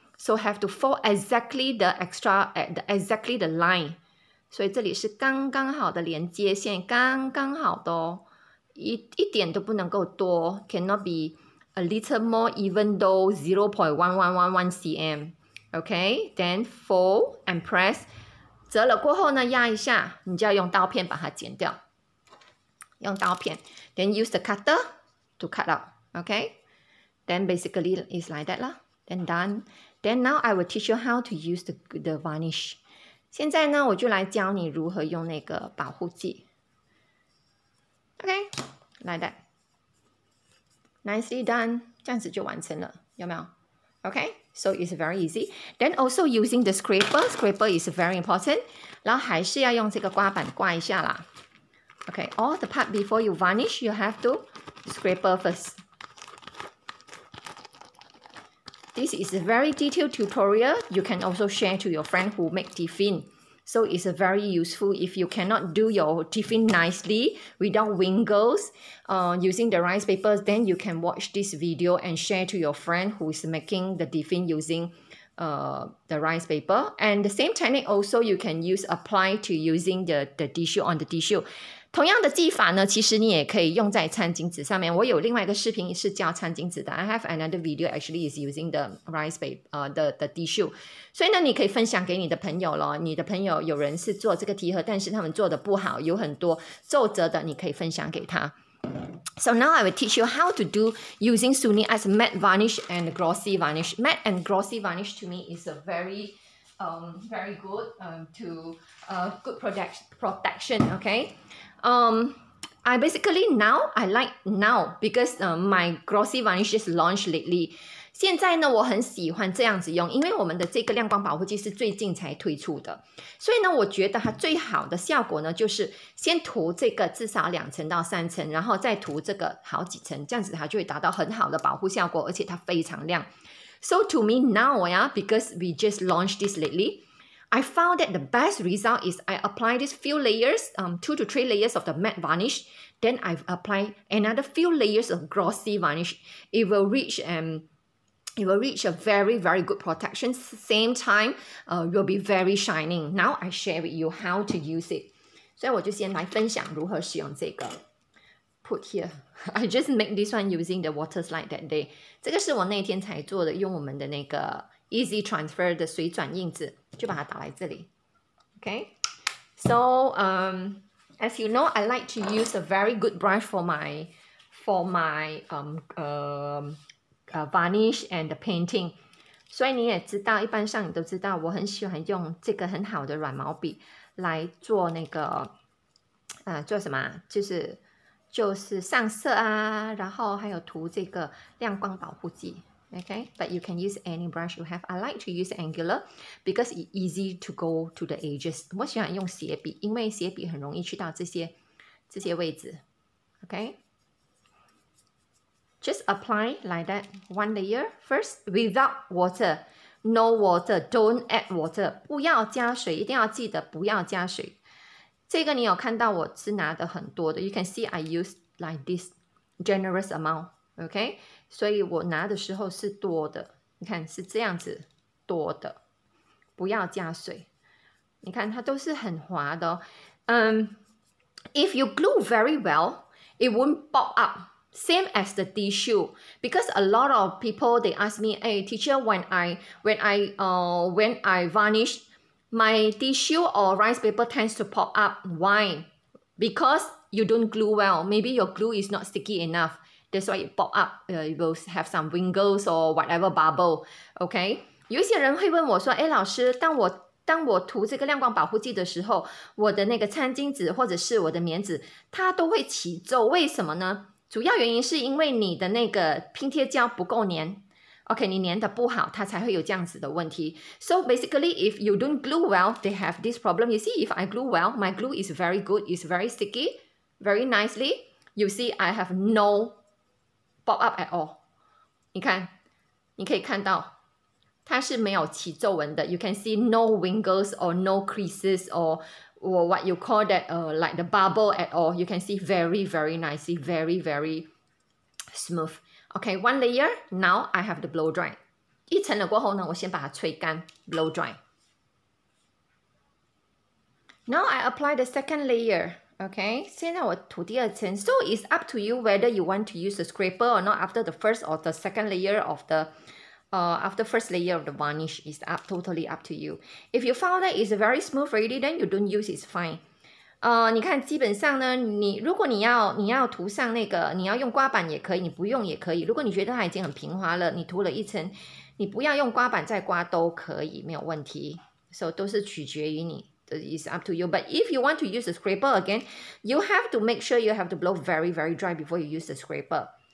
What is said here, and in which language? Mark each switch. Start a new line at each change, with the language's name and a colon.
English: So have to fold exactly the extra, exactly the line.
Chinese: 所以这里是刚刚好的连接线，刚刚好的哦。一点都不能够多，
English: cannot be a little more even though 0.1111 cm. Okay, then fold and press.
Chinese: 折了过后呢压一下，你就要用刀片把它剪掉，用刀片
English: then use the cutter to cut out. Okay, then basically it's like that lah. Then done. Then now I will teach you how to use the varnish.
Chinese: 现在呢我就来教你如何用那个保护剂。
English: Okay, like that. Nicely done.
Chinese: 这样子就完成了，有没有？
English: Okay, so it's very easy. Then also using the scraper is very important.
Chinese: 然后还是要用这个刮板刮一下啦。
English: Okay, all the part before you varnish, you have to scraper first. This is a very detailed tutorial. You can also share to your friend who make tiffin. So it's very useful if you cannot do your tiffin nicely without wrinkles, using the rice paper, then you can watch this video and share to your friend who is making the tiffin using the rice paper. And the same technique also you can use apply to using the tissue on the tissue.
Chinese: 同样的技法呢，其实你也可以用在餐巾纸上面。我有另外一个视频是教餐巾纸的。
English: I have another video actually is using the rice paper, the tissue.
Chinese: 所以呢，你可以分享给你的朋友咯。你的朋友有人是做这个提盒，但是他们做的不好，有很多皱褶的，你可以分享给他。
English: So now I will teach you how to do using Suni as matte varnish and glossy varnish. Matte and glossy varnish to me is a very... very good to good protection. Okay, I basically now I like now because my glossy varnish is launched lately.
Chinese: 现在呢，我很喜欢这样子用，因为我们的这个亮光保护剂是最近才推出的，所以呢，我觉得它最好的效果呢，就是先涂这个至少两层到三层，然后再涂这个好几层，这样子它就会达到很好的保护效果，而且它非常亮。
English: So to me now, yeah, because we just launched this lately, I found that the best result is I apply this few layers, 2 to 3 layers of the matte varnish, then I apply another few layers of glossy varnish. It will reach a very, very good protection. Same time, will be very shining. Now I share with you how to use it.
Chinese: 所以我就先来分享如何使用这个。
English: Put here. I just make this one using the water slide that day.
Chinese: 这个是我那天才做的，用我们的那个 easy transfer 的水转印子，就把它打来这里。Okay.
English: So, as you know, I like to use a very good brush for my varnish and the painting.
Chinese: 所以你也知道，一般上你都知道，我很喜欢用这个很好的软毛笔来做那个，做什么？就是上色啊，然后还有涂这个亮光保护剂 ，okay?
English: But you can use any brush you have. I like to use angular because it's easy to go to the edges.
Chinese: 我喜欢用斜笔，因为斜笔很容易去到这些位置 ，okay?
English: Just apply like that one layer first without water, no water, don't add water.
Chinese: 不要加水，一定要记得不要加水。这个你有看到我是拿的很多的
English: ，You can see I use like this generous amount, okay?
Chinese: 所以我拿的时候是多的，你看是这样子多的，不要加水，你看它都是很滑的哦。
English: If you glue very well, it won't pop up, same as the tissue. Because a lot of people they ask me, "Hey, teacher, when I varnish." My tissue or rice paper tends to pop up. Why? Because you don't glue well. Maybe your glue is not sticky enough. That's why it pop up. It will have some wrinkles or whatever bubble. Okay?
Chinese: 有些人会问我说，诶，老师，当我涂这个亮光保护剂的时候，我的那个餐巾纸或者是我的棉纸，它都会起皱，为什么呢？主要原因是因为你的那个拼贴胶不够粘。 OK, 你粘的不好，它才会有这样子的问题。
English: So basically, if you don't glue well, they have this problem. You see, if I glue well, my glue is very good, it's very sticky, very nicely. You see, I have no pop up at all.
Chinese: 你看，你可以看到，它是没有起皱纹的。
English: You can see no wrinkles or no creases or what you call that, like the bubble at all. You can see very, very nicely, very, very smooth. Okay, one layer, now I have the blow dry.
Chinese: 一层了过后呢，我先把它吹干
English: blow dry. Now I apply the second layer, okay?
Chinese: 现在我涂第二层。
English: So it's up to you whether you want to use the scraper or not after the first or the second layer of the, after first layer of the varnish. It's up, totally up to you. If you found that it's very smooth already, then you don't use, it's fine.
Chinese: 你看基本上呢，你如果你要涂上那个，你要用刮板也可以，你不用也可以。如果你觉得它已经很平滑了，你涂了一层，你不要用刮板再刮都可以，没有问题。
English: So
Chinese: 都是取决于你
English: ，it's up to you. But if you want to use the scraper again, you have to make sure you have to blow very very dry before you use the scraper.